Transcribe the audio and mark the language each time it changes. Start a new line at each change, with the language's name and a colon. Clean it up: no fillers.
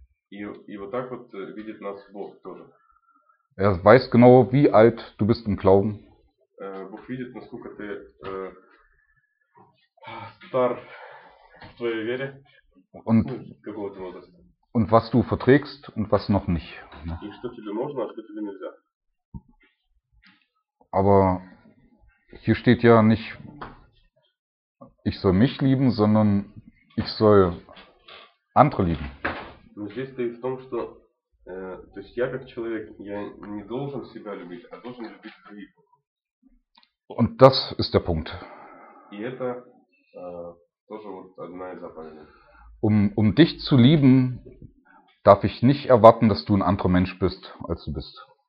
Russian: И вот так вот видит нас Бог тоже.
German: Er weiß genau, wie alt du bist im Glauben.
Russian: Бог видит, насколько ты стар в твоей вере.
German: Und,
Russian: какого-то возраста.
German: Und was du verträgst und was noch nicht.
Russian: И что тебе можно, а что тебе нельзя.
German: Aber hier steht ja nicht, ich soll mich lieben, sondern ich soll andere lieben.
Russian: Но здесь стоит в том, что то есть я как человек, я не должен себя любить, а должен любить других.
German: Und das ist der Punkt.
Russian: И это тоже вот одна из заповедей.
German: Um dich zu lieben, darf ich nicht erwarten, dass du ein anderer Mensch bist, als du bist.